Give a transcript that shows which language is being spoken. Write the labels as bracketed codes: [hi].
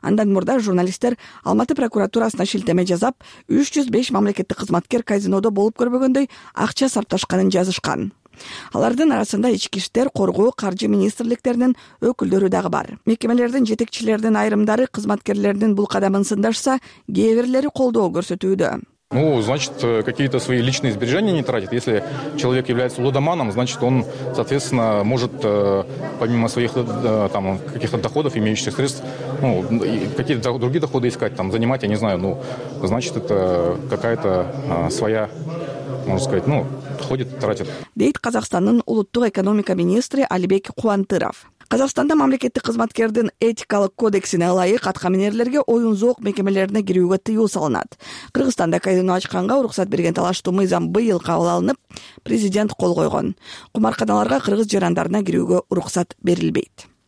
[ky] Андан мурда журналисттер Алматы прокуратурасына шилтеме жазап, 305 мамлекеттик кызматкер казинодо болуп көрбөгөндөй акча сарпташканын жазышкан. Алардын арасында ички иштер, коргоо, каржы министрликтеринин өкүлдөрү дагы бар. Мекемелердин жетекчилеринин айрымдары кызматкерлердин бул кадамын сындашса, кээ бирлери колдоо көрсөтүүдө. [ru] Ну, значит, какие-то свои личные сбережения не тратит. Если человек является лудоманом, значит, он, соответственно, может, помимо своих там каких-то доходов, имеющих средств, ну, какие-то другие доходы искать, там, занимать, я не знаю, ну, значит, это какая-то своя, можно сказать, ну, ходит, тратит. [ky] Дейт Казахстанын улуттук экономика министри Алибек Куантыров. Казахстанда мамлекеттик кызматкердин этикалык кодексине ылайык аткаминерлерге оюн зоок мекемелерине кирүүгө тыюу салынат. Кыргызстанда казино ачканга уруксат берген талаштуу мыйзам быйыл кабыл алынып, президент кол койгон. Кумарканаларга кыргыз жарандарына кирүүгө уруксат берилбейт.